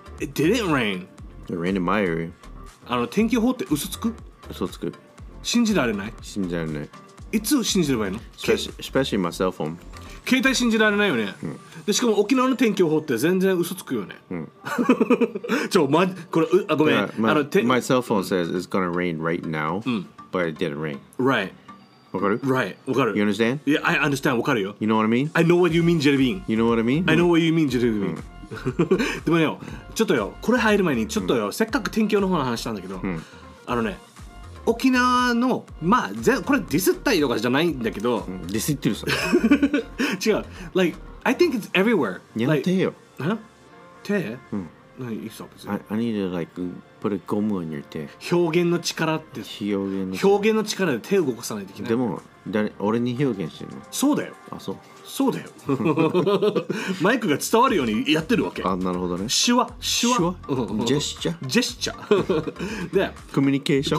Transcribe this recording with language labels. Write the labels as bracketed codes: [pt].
[en] It didn't rain. It rained in my area. [ja] あの天気予報って嘘つく？嘘つく。信じられない？信じられない。いつ信じればいいの？ [en] Especially my cell phone. [ja] 携帯信じられないよね。うん、でしかも沖縄の天気予報って全然嘘つくよね。うん、ちょ、ま、これ、あ、ごめん。 [en] Yeah, my cell phone says it's gonna rain right now.、 [ja] うん、 [en] But it didn't rain. Right. [ja] わかる？ [en] Right. [ja] わかる。 [en] You understand? Yeah, I understand. [ja] わかるよ。 [en] You know what I mean? I know what you mean, Jelly Bean. You know what I mean? I know what you mean, Jelly Bean.、 [ja] うん、でもね、ちょっとよ、これ入る前にちょっとよ、うん、せっかく天気予報の話したんだけど、うん、あのね、沖縄の、まあ、これディスったりとかじゃないんだけど、うん、ディスってるさ。違う。 [en] Like, I think it's everywhere. [ja] やめてよ。手？うん。何言ってた？ [en] I need to like put a gum on your 手。 [ja] 表現の力って。表現の力で手を動かさないといけない。でも、俺に表現してるの？そうだよ。あ、そう。そうだよ。マイクが伝わるようにやってるわけ。あ、なるほどね。手話、手話。ジェスチャー。ジェスチャー。で、コミュニケーション。